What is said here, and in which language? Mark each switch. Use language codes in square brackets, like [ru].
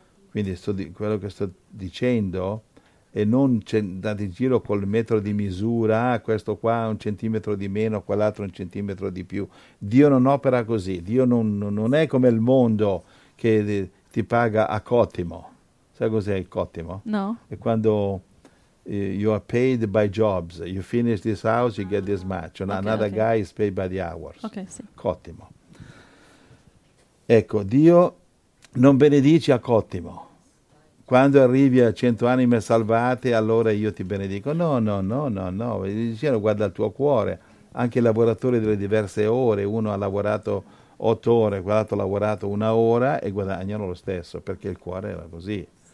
[it] Quindi quello che sto dicendo è non andare in giro col metro di misura, questo qua un centimetro di meno, quell'altro un centimetro di più. Dio non opera così, Dio non è come il mondo che ti paga a cottimo. Sai cos'è il cottimo? No. È quando [en] you are paid by jobs, you finish this house, you get this much, another Ok, guy is paid by the hours. [it] sì. Cottimo. Ecco, Dio non benedice a cottimo. Quando arrivi a 100 anime salvate, allora io ti benedico. No, no, no, no, no. Il Signore guarda il tuo cuore. Anche i lavoratori delle diverse ore, uno ha lavorato 8 ore, quell'altro ha lavorato 1 ora e guadagnano lo stesso, perché il cuore era così.